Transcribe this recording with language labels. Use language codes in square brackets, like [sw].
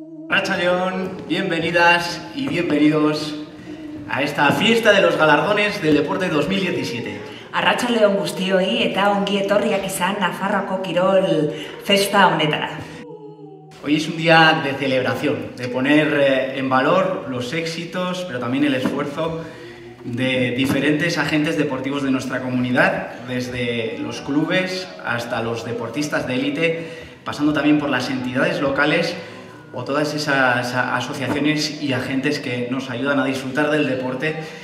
[eu] Arratsaldeon, [es] bienvenidas y bienvenidos a esta fiesta de los galardones del deporte 2017. [eu] Arratsaldeon guztioi eta ongi etorriak izan Nafarroako Kirol Festa honetara. [es] Hoy es un día de celebración, de poner en valor los éxitos, pero también el esfuerzo de diferentes agentes deportivos de nuestra comunidad, desde los clubes hasta los deportistas de élite, pasando también por las entidades locales o todas esas asociaciones y agentes que nos ayudan a disfrutar del deporte.